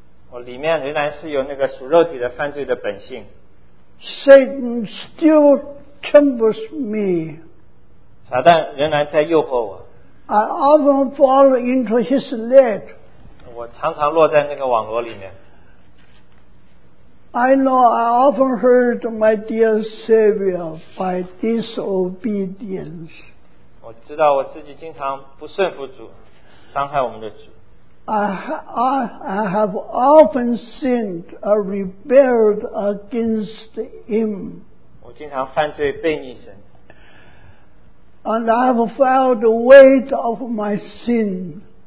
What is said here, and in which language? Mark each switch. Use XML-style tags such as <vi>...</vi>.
<zh>我里面仍然是有那个属肉体的犯罪的本性。</zh> <en>Satan still tempts me.</en> <zh>撒旦仍然在诱惑我。</zh> <en>I often fall into his net.</en> <zh>我常常落在那个网络里面。</zh> <en>I know I often hurt my dear Savior by disobedience.</en> <zh>我知道我自己经常不顺服主, 伤害我们的主。</zh> <en>I have often sinned and rebelled against him.</en> <zh>我经常犯罪悖逆神。</zh> <en>And I have felt the weight of my sin.</en>